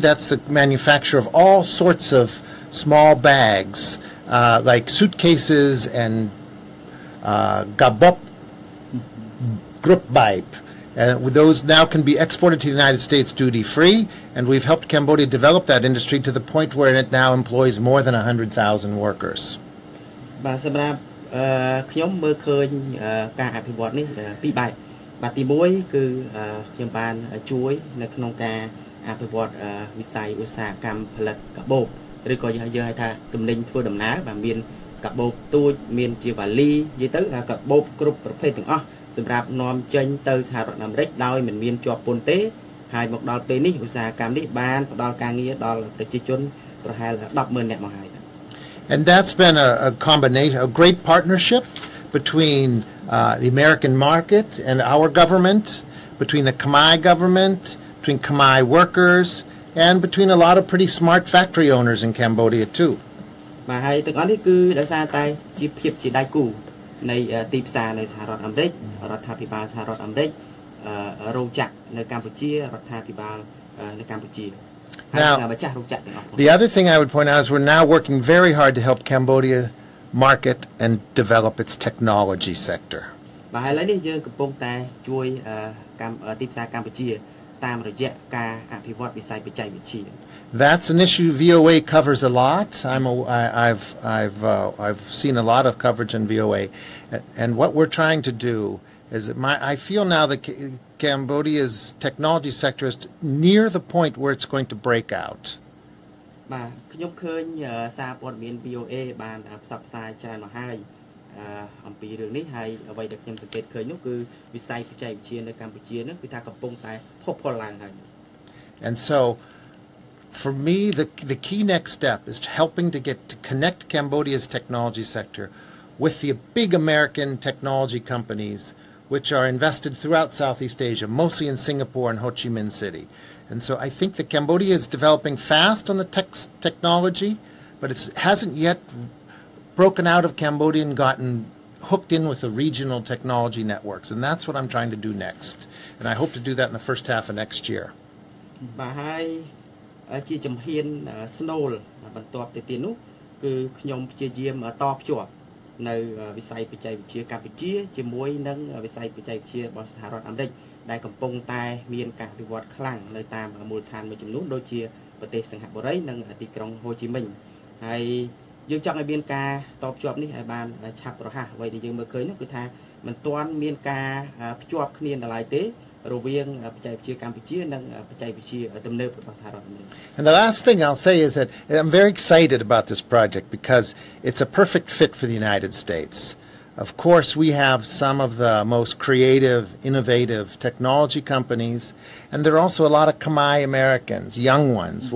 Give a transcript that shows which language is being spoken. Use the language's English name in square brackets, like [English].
[English] That's the manufacture of all sorts of small bags, like suitcases and gabop, grip bipe. Those now can be exported to the United States duty free. And we've helped Cambodia develop that industry to the point where it now employs more than 100,000 workers. [Khmer] បាទសម្រាប់ខ្ញុំមើលឃើញការអភិវឌ្ឍនេះពីរបែបបាទទី1គឺខ្ញុំបានជួយនៅក្នុងការអភិវឌ្ឍវិស័យឧស្សាហកម្មផលិតកាបូបឬក៏យើងហៅថាទំនិញធ្វើដំណើរបាទមានកាបូបទូចមានជាវ៉ាលីនិយាយទៅថាកាបូបគ្រប់ប្រភេទទាំងអស់សម្រាប់នាំចេញទៅសហរដ្ឋអាមេរិកដោយមិនមានជាប់ពន្ធទេហើយមកដល់ពេលនេះឧស្សាហកម្មនេះបានផ្ដល់ការងារដល់ប្រជាជនប្រហែល100,000នាក់មកហើយ [English] And that's been a combination, a great partnership between the American market and our government, between the Khmer government, between Khmer workers, and between a lot of pretty smart factory owners in Cambodia too. [Khmer] មកហើយទាំងអស់នេះគឺដោយសារតែជាភាពជាដៃគូនៃទីផ្សារនៅសហរដ្ឋអាមេរិករដ្ឋាភិបាលសហរដ្ឋអាមេរិករោងចក្រនៅកម្ពុជារដ្ឋាភិបាលនៅកម្ពុជា [English] Now, the other thing I would point out is we're now working very hard to help Cambodia market and develop its technology sector. [Khmer] មកហើយឥឡូវនេះយើងកំពុងតែជួយទីផ្សារកម្ពុជាតាមរយៈការអភិវឌ្ឍវិស័យបច្ចេកវិទ្យា [English] That's an issue VOA covers a lot. I've seen a lot of coverage in VOA, and what we're trying to do is I feel now that Cambodia's technology sector is near the point where it's going to break out. [Khmer] បាទខ្ញុំឃើញសារព័ត៌មាន VOA បានផ្សព្វផ្សាយច្រើនមកហើយអំពីរឿងនេះហើយអ្វីដែលខ្ញុំសង្កេតឃើញនោះគឺវិស័យបច្ចេកវិទ្យានៅកម្ពុជានឹងគឺថាកំពុងតែផុសផុលឡើងហើយ [English] And so For me, the key next step is helping to connect Cambodia's technology sector with the big American technology companies, which are invested throughout Southeast Asia, mostly in Singapore and Ho Chi Minh City. And so I think that Cambodia is developing fast on the technology, but it hasn't yet broken out of Cambodia and gotten hooked in with the regional technology networks. And that's what I'm trying to do next. And I hope to do that in the first half of next year. Bye. [Khmer] ជាជំហានស្នូលបន្ទាប់ទៅទៀតនោះគឺខ្ញុំព្យាយាមតភ្ជាប់នៅវិស័យបច្ចេកវិទ្យាកម្ពុជាជាមួយនឹងវិស័យបច្ចេកវិទ្យារបស់សហរដ្ឋអាមេរិកដែលកំពុងតែមានការវិវត្តខ្លាំងនៅតាមមូលដ្ឋានមួយចំនួនដូចជាប្រទេសសិង្ហបុរីនិងទីក្រុងហូជីមិញហើយ យើងចង់ឲ្យមានការតភ្ជាប់នេះឲ្យបានឆាប់រហ័សអ្វីដែលយើងមើលឃើញនោះគឺថាមិនទាន់មានការភ្ជាប់គ្នាណឡើយទេរវាងបច្ចេកវិទ្យាកម្ពុជានិងបច្ចេកវិទ្យាទំនើបរបស់សហរដ្ឋអាមេរិក [English] And the last thing I'll say is that I'm very excited about this project because it's a perfect fit for the United States. Of course, we have some of the most creative, innovative technology companies, and there are also a lot of Khmer Americans, young ones, mm-hmm.